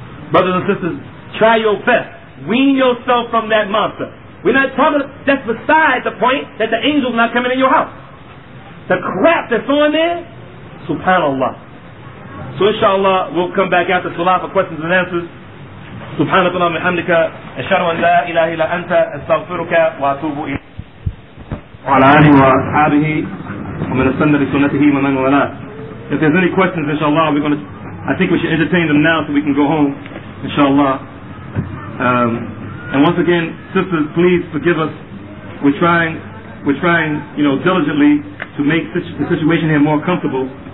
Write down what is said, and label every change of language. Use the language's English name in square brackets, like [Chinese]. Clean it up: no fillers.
[English] Brothers and sisters, try your best. Wean yourself from that monster. We're not talking, that's beside the point that the angels are not coming in your house. The crap that's on there, subhanAllah. So inshallah, we'll come back after salah for questions and answers. [Arabic] سبحانك اللهم وبحمدك اشهد ان لا اله الا انت استغفرك واتوب اليك وعلى اله واصحابه ومن السنة بسنته ومن والاه. [English] If there's any questions, inshallah, we're going to, I think we should entertain them now so we can go home, inshallah. And once again, sisters, please forgive us. We're trying, you know, diligently to make the situation here more comfortable.